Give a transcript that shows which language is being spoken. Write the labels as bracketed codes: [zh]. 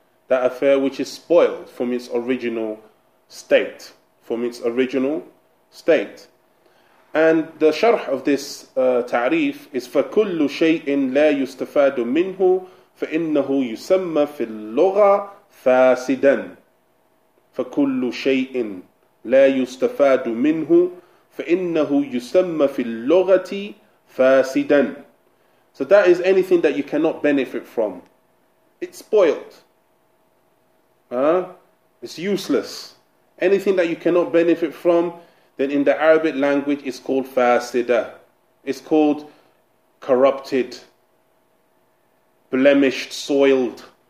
[en] That affair which is spoiled from its original state. From its original state. And the sharh of this ta'rif is [ar] فَكُلُّ شَيْءٍ لَا يُسْتَفَادُ مِنْهُ فَإِنَّهُ يُسَمَّ فِي اللُّغَةِ فَاسِدًا فَكُلُّ شَيْءٍ لَا يُسْتَفَادُ مِنْهُ فَإِنَّهُ يُسَمَّ فِي اللُّغَةِ فَاسِدًا. [en] So that is anything that you cannot benefit from. It's spoiled. It's useless. Anything that you cannot benefit from, then in the Arabic language, it's called fasida. It's called corrupted, blemished, soiled.